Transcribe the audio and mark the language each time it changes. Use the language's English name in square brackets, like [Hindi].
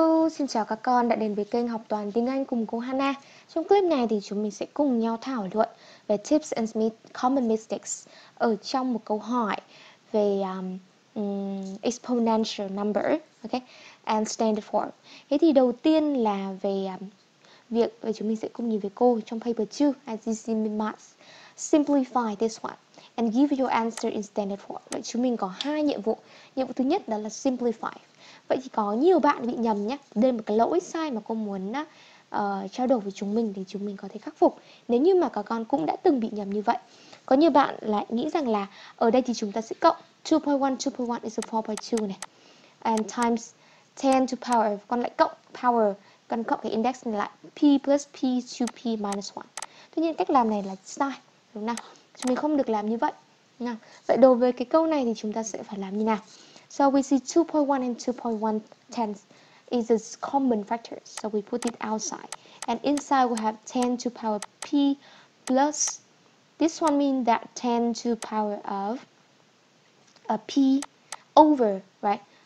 [Vietnamese] Xin chào các con đã đến với kênh học toàn tiếng Anh cùng cô Hana. Trong clip này thì chúng mình sẽ cùng nhau thảo luận về [English] tips and common mistakes [Vietnamese] ở trong một câu hỏi về [English] exponential number, okay, and standard form. [Vietnamese] Thế thì đầu tiên là về việc và chúng mình sẽ cùng nhìn về cô trong paper 2 IGCSE Maths. [English] Simplify this one and give your answer in standard form. [Vietnamese] Vậy chúng mình có hai nhiệm vụ. Nhiệm vụ thứ nhất đó là simplify. Vậy thì có nhiều bạn bị nhầm nhé. Đây là một cái lỗi sai mà cô muốn trao đổi với chúng mình thì chúng mình có thể khắc phục. Nếu như mà các con cũng đã từng bị nhầm như vậy, có nhiều bạn lại nghĩ rằng là ở đây thì chúng ta sẽ cộng 2.1, [English] 2.1 is a 4.2 [Vietnamese] này, [English] and times 10 to power, [Vietnamese] con lại cộng power, con cộng cái index này lại [English] p plus p to p minus 1. [Vietnamese] Tuy nhiên cách làm này là sai, đúng không? Chúng mình không được làm như vậy. Vậy đối với cái câu này thì chúng ta sẽ phải làm như nào? [English] So we see 2.1 and 2.1 tens is a common factor. So we put it outside. And inside we have 10 to power p plus. This one means that 10 to power of a p over, right?